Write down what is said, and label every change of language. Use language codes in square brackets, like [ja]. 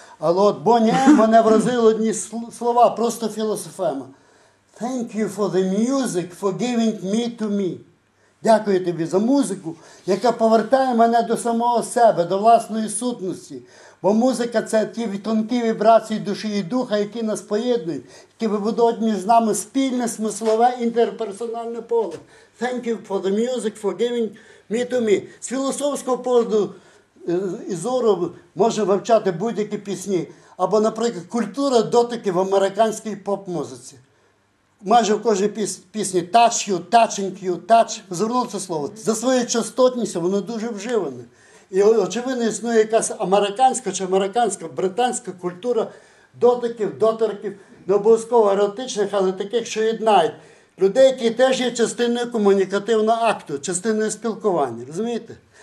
[uk] Але от Бонні М, вона вразила одні слова, просто філософема. [en] Thank you for the music, for giving me to me. [uk] Дякую тобі за музику, яка повертає мене до самого себе, до власної сутності. Бо музика – це ті тонкі вібрації душі і духа, які нас поєднують, які вибудують між нами спільне смислове інтерперсональне поле. [en] Thank you for the music, for giving me to me. [uk] З філософського погляду і зору можна вивчати будь-які пісні. Або, наприклад, культура дотики в американській поп-музиці. Майже в кожній пісні [en] touch you, touching you, touch. [uk] Звернув це слово. За своєю частотністю воно дуже вживане. І очевидно існує якась американська чи американська, британська культура дотиків, дотарків, не обов'язково еротичних, але таких, що єднають людей, які теж є частиною комунікативного акту, частиною спілкування, розумієте?